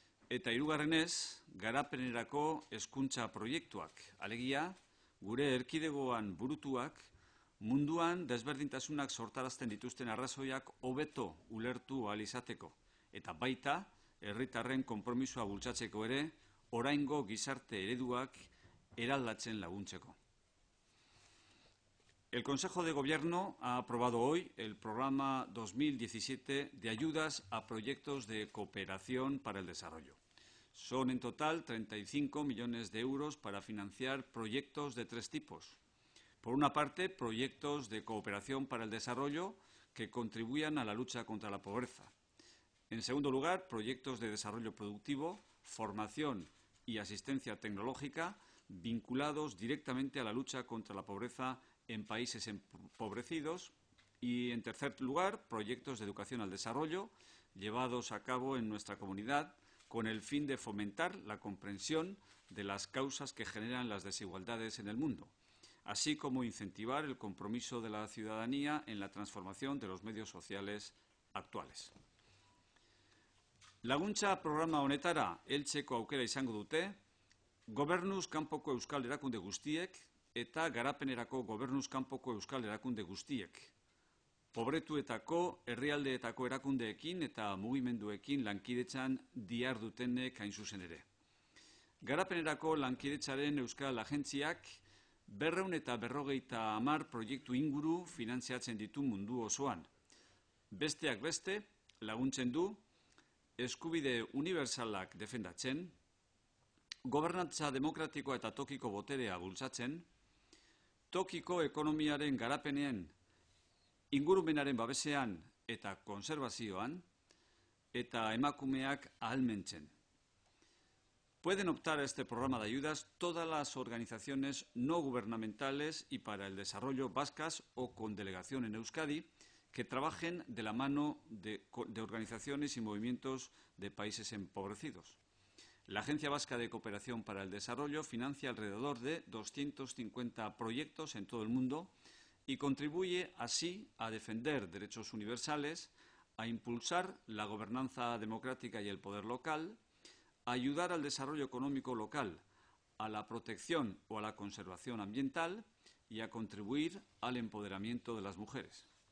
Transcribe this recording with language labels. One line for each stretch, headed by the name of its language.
Basque: eta hirugarrenez, garapenerako hezkuntza proiektuak, alegia, gure erkidegoan burutuak, munduan desberdintasunak sortarazten dituzten arrazoiak hobeto ulertu ahal izateko, eta baita, herritarren konpromisoa bultzatzeko ere, oraingo gizarte ereduak eraldatzen laguntzeko.
Spanish: El Consejo de Gobierno ha aprobado hoy el programa 2017 de ayudas a proyectos de cooperación para el desarrollo. Son en total 35 millones de euros para financiar proyectos de tres tipos. Por una parte, proyectos de cooperación para el desarrollo que contribuyan a la lucha contra la pobreza. En segundo lugar, proyectos de desarrollo productivo, formación y asistencia tecnológica vinculados directamente a la lucha contra la pobreza en países empobrecidos, y en tercer lugar, proyectos de educación al desarrollo llevados a cabo en nuestra comunidad con el fin de fomentar la comprensión de las causas que generan las desigualdades en el mundo, así como incentivar el compromiso de la ciudadanía en la transformación de los medios sociales actuales.
Basque: Laguntza programa honetara heltzeko aukera izango dute, Gobernuz kanpoko euskal erakunde guztiek eta garapenerako gobernuz kanpoko euskal erakunde guztiek. Pobretuetako, herrialdeetako erakundeekin eta mugimenduekin lankidetzan dihardutenek hain zuzen ere. Garapenerako lankidetzaren euskal agentziak 250 proiektu inguru finantziatzen ditu mundu osoan. Besteak beste, laguntzen du, eskubide unibertsalak defendatzen, gobernantza demokratikoa eta tokiko boterea bultzatzen, tokiko ekonomiaren garapenean, ingurumenaren babesean eta konserbazioan, eta emakumeak ahalmentzen.
Spanish: Pueden optar a este programa de ayudas todas las organizaciones no gubernamentales y para el desarrollo vascas o con delegación en Euskadi que trabajen de la mano de organizaciones y movimientos de países empobrecidos. La Agencia Vasca de Cooperación para el Desarrollo financia alrededor de 250 proyectos en todo el mundo y contribuye así a defender derechos universales, a impulsar la gobernanza democrática y el poder local, a ayudar al desarrollo económico local, a la protección o a la conservación ambiental y a contribuir al empoderamiento de las mujeres.